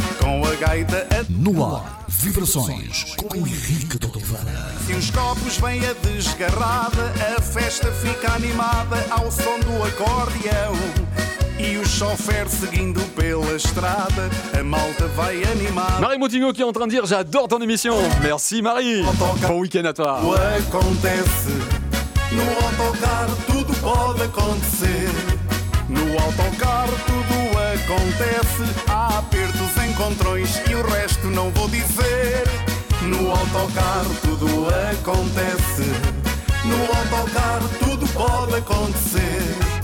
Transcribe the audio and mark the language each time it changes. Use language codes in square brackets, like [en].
[pt] com a gaita a... No ar, vibrações com o Henrique de Oliveira. Se os copos vêm a desgarrada, a festa fica animada ao som do acordeão. E o chofer seguindo pela estrada, a malta vai animar. [fr] Marie Moutinho qui est en train de dire: j'adore ton émission. Merci Marie. Bon week-end à toi. [pt] O acontece no autocar, tudo pode acontecer. No autocar, tudo acontece. Há apertos, encontrões e o resto não vou dizer. No autocar, tudo acontece. No autocar, tudo pode acontecer.